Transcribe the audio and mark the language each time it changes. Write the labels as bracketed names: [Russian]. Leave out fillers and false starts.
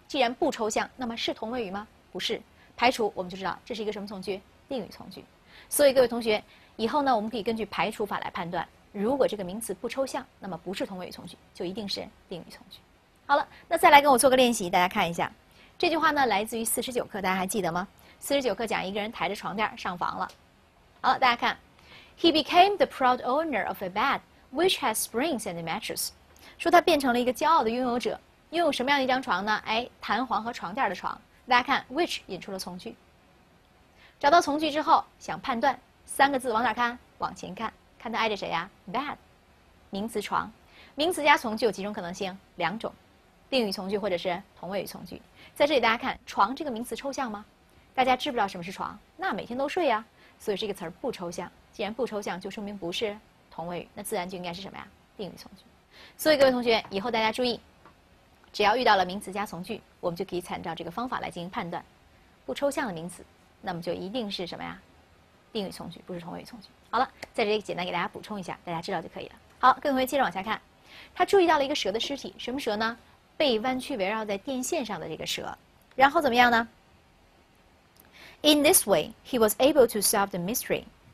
[Chinese] 既然不抽象，那么是同位语吗？不是。排除我们就知道这是一个什么从句？定语从句。所以各位同学，以后呢，我们可以根据排除法来判断，如果这个名词不抽象，那么不是同位语从句，就一定是定语从句。好了，那再来跟我做个练习，大家看一下，这句话呢来自于49课，大家还记得吗？ 49课讲一个人抬着床垫上房了。好了，大家看 [English] ，He became the proud owner of a bed which has springs and a mattress。 [Chinese] 说他变成了一个骄傲的拥有者，拥有什么样的一张床呢？哎，弹簧和床垫的床。大家看 ，which 引出了从句。找到从句之后，想判断三个字往哪看？往前看，看它挨着谁呀 ？bed， 名词床。名词加从句有几种可能性？两种，定语从句或者是同位语从句。在这里大家看，床这个名词抽象吗？大家知不知道什么是床？那每天都睡呀，所以这个词儿不抽象。既然不抽象，就说明不是同位语，那自然就应该是什么呀？定语从句。所以各位同学，以后大家注意，只要遇到了名词加从句，我们就可以参照这个方法来进行判断，不抽象的名词，那么就一定是什么呀？定语从句，不是同位语从句。好了，在这里简单给大家补充一下，大家知道就可以了。好，各位同学接着往下看，他注意到了一个蛇的尸体，什么蛇呢？被弯曲围绕在电线上的这个蛇。然后怎么样呢？ [English] In this way, he was able to solve the mystery.